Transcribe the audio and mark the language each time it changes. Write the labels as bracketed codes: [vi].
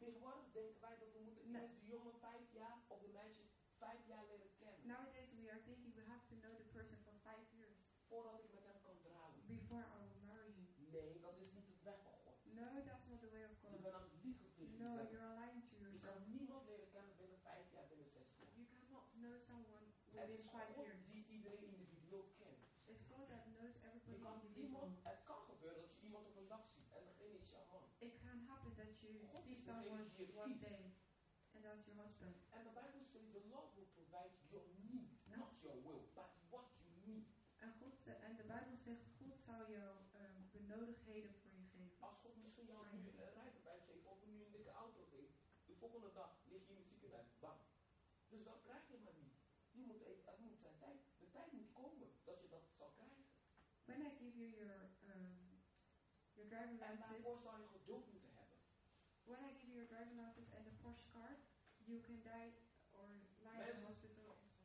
[nl] Tegenwoordig denken wij dat we moeten eerst de jongen 5 jaar of de meisje 5 jaar leren kennen. [en] Nowadays we are thinking we have to know the person for 5 years. [nl] Voordat ik met hem kan trouwen. [en] Before I will marry you. [nl] Nee, dat is niet het weg van God. [en] No, that's not the way of God. [nl] Je bent aan het liegen tegen jezelf. [en] No, you're lying to yourself. [nl] Je kan niemand leren kennen binnen 5 jaar, binnen 6 jaar. [en] You cannot know someone within 5 years. [nl] Er is God die iedereen individueel kent. [en] It's God that knows everybody. [nl] Je kan iemand, het kan gebeuren dat je iemand op een dag ziet en degene is jouw man. [en] It can happen that you God see someone one day. And that's your husband. And the Bible says the Lord will provide your need, not your will, but what you need. [nl] En God zegt, en de Bijbel zegt, God zal jou benodigdheden voor je geven. Als God misschien jou nu een rijbewijs geeft, of nu een dikke auto geeft, de volgende dag lig je in het ziekenhuis, bam. Dus dat krijg je maar niet. Je moet even, dat moet zijn tijd. De tijd moet komen dat je dat zal krijgen. [en] When I give you your driving license, [nl] en daarvoor zal je geduld moeten hebben. [en] When I give you your driving license and a Porsche card, you can die or lie in the hospital.